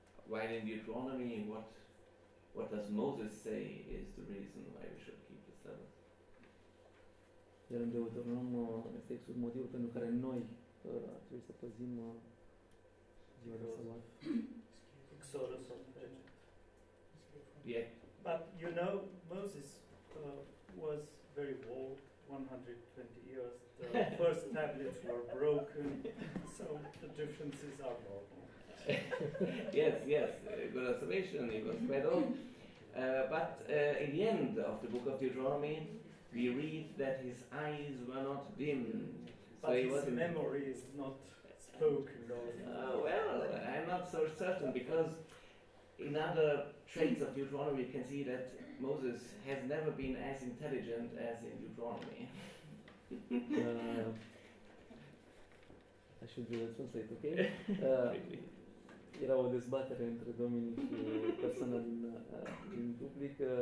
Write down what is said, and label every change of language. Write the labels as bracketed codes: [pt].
[en] While in Deuteronomy, what does Moses say is the reason why we should keep the Sabbath? [ro] Iar în Deuteronom este exact motivul pentru care noi trebuie să păzim ziua de sabat. [en] Yeah. But you know, Moses was very old, 120 years. The first tablets were broken, so the differences are normal. Yes, good observation, he was quite old. But in the end of the book of Deuteronomy, we read that his eyes were not dim. But so his memory is not spoken. Well, I'm not so certain, because in other traits of Deuteronomy, you can see that Moses has never been as intelligent as in Deuteronomy. I should translate, okay? [ro] Era o dezbatere între Dominic și persoana din public.